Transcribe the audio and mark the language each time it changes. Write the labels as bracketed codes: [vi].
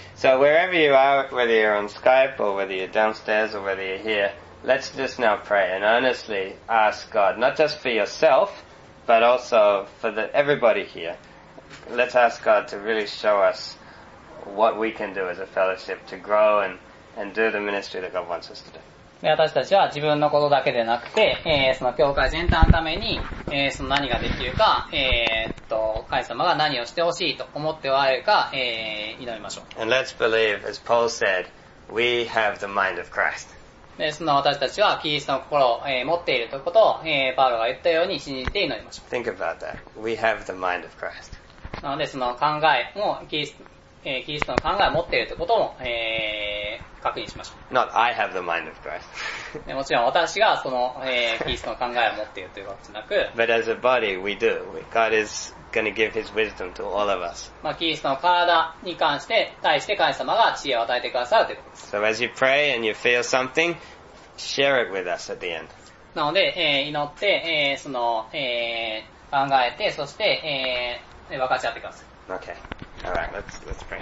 [en] So wherever you are, whether you're on Skype or whether you're downstairs or whether you're here, let's just now pray and earnestly ask God, not just for yourself, but also for the everybody here. Let's ask God to really show us what we can do as a fellowship to grow and do the ministry that God wants us to do. [ja] 私たちは自分のことだけでなくて、その教会全体のために、その何ができるか、神様が何をしてほしいと思っておられるか、祈りましょう。 [en] And let's believe, as Paul said, we have the mind of Christ. [ja] で、その私たちはキリストの心を、持っているということを、パウロが言ったように信じて祈りましょう。 [en] Think about that. We have the mind of Christ. [ja] なのでその考えもキリストの考えを持っているということも、確認しましょう。 [en] Not I have the mind of Christ. [ja] もちろん私がその、キリストの考えを持っているということじゃなく、 [en] But as a body, we do. God is going to give His wisdom to all of us. [ja] まあキリストの体に関して対して神様が知恵を与えてくださるということです。 [en] So as you pray and you feel something, share it with us at the end. [ja] なので、祈って、その、考えてそして。 [en] Okay. All right. Let's pray.